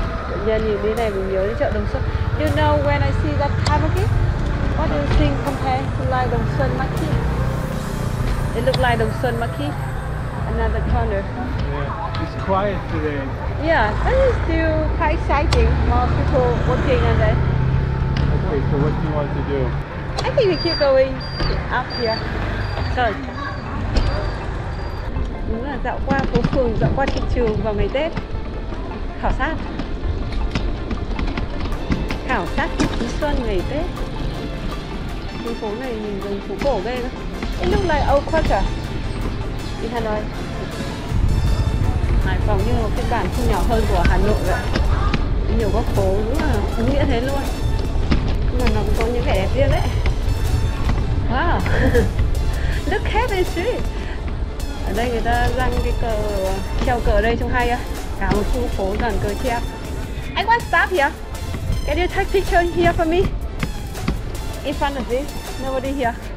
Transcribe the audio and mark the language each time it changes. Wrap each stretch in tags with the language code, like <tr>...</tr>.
<vi>Tự nhiên nhìn thế này mình nhớ đến chợ Đồng Xuân.</vi> <en>You know when I see that type of it, what do you think compared to like Đồng Xuân Market? It look like Đồng Xuân Market. Another corner. Yeah, it's quiet today. Yeah, but it's still quite exciting. More people working and then. Okay, so what do you want to do? I think we keep going up here. Good.</en> <vi>Đúng là dạo qua phố phường, dạo qua thị trường vào ngày Tết. Khảo sát phố xuân ngày Tết. Cái phố này nhìn giống phố cổ ghê đó.</vi> <en>It looks like old quarter in Hà Nội.</en> <vi>Hải Phòng như một phiên bản không nhỏ hơn của Hà Nội vậy. Nhiều góc phố đúng là đúng nghĩa thế luôn. Nhưng mà nó cũng có những vẻ đẹp riêng đấy. Wow.</vi> <en>Look at this street.</en> <vi>Ở đây người ta răng cái cờ, treo cờ ở đây trông hay á. cả một khu phố gần cơ chứ.</vi> <en>I want stop here. Can you take picture here for me? In front of this, nobody here.</en>